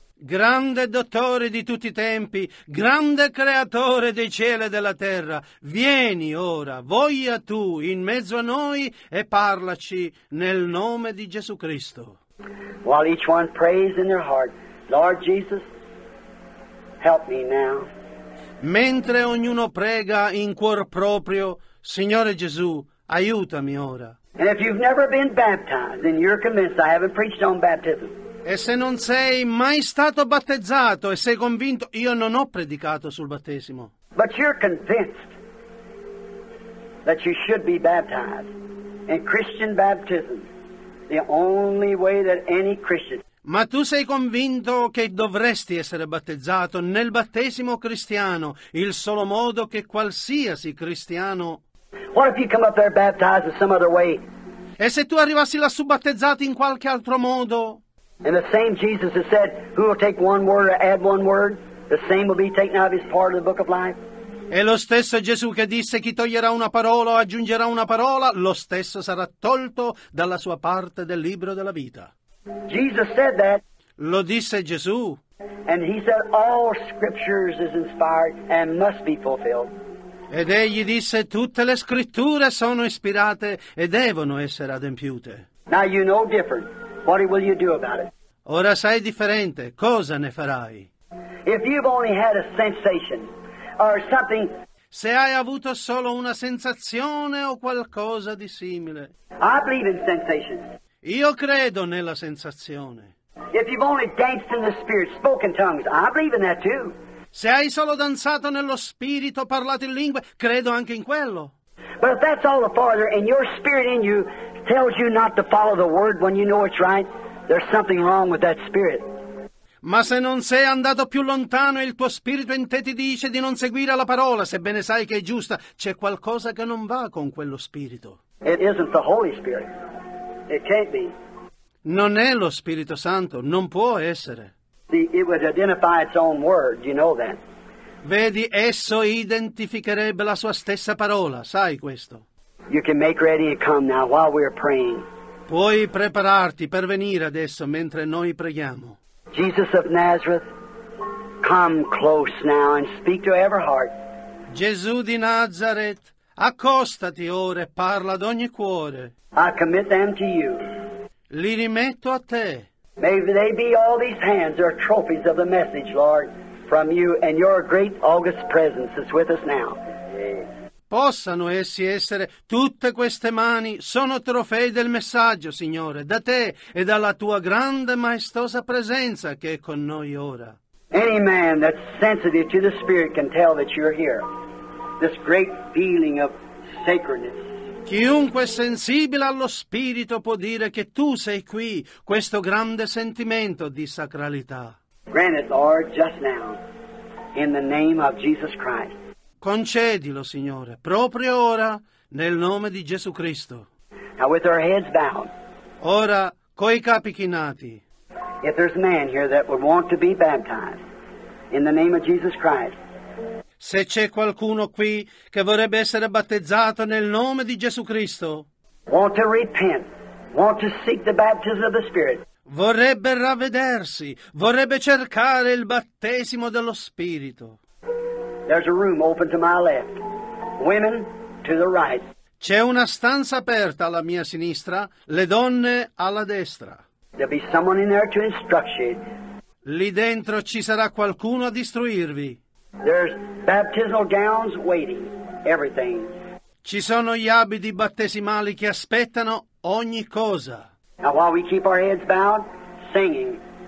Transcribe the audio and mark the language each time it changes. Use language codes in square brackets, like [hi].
[it] Grande dottore di tutti i tempi, grande creatore dei cieli e della terra, vieni ora, voglia tu in mezzo a noi e parlaci nel nome di Gesù Cristo. [en] While each one prays in their heart, Lord Jesus, help me now. [it] Mentre ognuno prega in cuor proprio, Signore Gesù, aiutami ora. [en] And if you've never been baptized, then you're convinced I haven't preached on baptism. [it] E se non sei mai stato battezzato e sei convinto, io non ho predicato sul battesimo. [en] But you're convinced that you should be baptized. And Christian baptism, the only way that any Christian... [it] Ma tu sei convinto che dovresti essere battezzato nel battesimo cristiano, il solo modo che qualsiasi cristiano... [en] What if you come up there baptized in some other way? [it] E se tu arrivassi lassù battezzato in qualche altro modo? [en] And the same Jesus has said, who will take one word or add one word, the same will be taken out of his part of the book of life. [it] E lo stesso Gesù che disse, chi toglierà una parola o aggiungerà una parola, lo stesso sarà tolto dalla sua parte del libro della vita. [en] Jesus said that. [it] Lo disse Gesù. [en] And he said, all scriptures is inspired and must be fulfilled. [it] Ed egli disse, tutte le scritture sono ispirate e devono essere adempiute. [en] Now you know different. What will you do about it? [it] Ora sai differente, cosa ne farai? [en] If you've only had a sensation or something, [it] se hai avuto solo una sensazione o qualcosa di simile, [en] I believe in sensation. [it] Io credo nella sensazione. [en] If you've only danced in the spirit, spoken tongues, I believe in that too. [it] Se hai solo danzato nello spirito, parlato in lingue, credo anche in quello. [en] But if that's all the farther and your spirit in you tells you not to follow the word when you know it's right, There's something wrong with that spirit. [it] Ma se non sei andato più lontano e il tuo spirito in te ti dice di non seguire la parola, sebbene sai che è giusta, c'è qualcosa che non va con quello spirito. [en] It isn't the Holy Spirit. It can't be. [it] Non è lo Spirito Santo, non può essere. [en] See, it would identify its own word, you know that. [it] Vedi, esso identificherebbe la sua stessa parola, sai questo. [en] You can make ready to come now while we are praying. [it] Puoi prepararti per venire adesso mentre noi preghiamo. [en] Jesus of Nazareth, come close now and speak to every heart. [it] Gesù di Nazareth, accostati ora e parla ad ogni cuore. [en] I commit them to you. [it] Li rimetto a te. [en] May they be all these hands are trophies of the message, Lord, from you, and your great august presence is with us now. [it] Possano essi essere tutte queste mani, sono trofei del messaggio, Signore, da te e dalla tua grande maestosa presenza che è con noi ora. [en] Any man that's sensitive to the Spirit can tell that you're here. This great feeling of sacredness. [it] Chiunque sensibile allo Spirito può dire che tu sei qui, questo grande sentimento di sacralità. [en] Granted, Lord, just now, in the name of Jesus Christ. [it] Concedilo, Signore, proprio ora, nel nome di Gesù Cristo. [en] Now with our heads bowed, [it] ora, coi capi chinati. [en] If there's a man here that would want to be baptized in the name of Jesus Christ. [it] Se c'è qualcuno qui che vorrebbe essere battezzato nel nome di Gesù Cristo. [en] Want to repent, want to seek the baptism of the Spirit. [it] Vorrebbe ravvedersi, vorrebbe cercare il battesimo dello Spirito. [en] There's a room open to my left. Women to the right. [it] C'è una stanza aperta alla mia sinistra, le donne alla destra. [en] There'll be someone in there to instruct you. [it] Lì dentro ci sarà qualcuno a istruirvi. [en] There's baptismal gowns waiting, everything. [it] Ci sono gli abiti battesimali che aspettano ogni cosa. [en] Now while we keep our heads bowed, singing.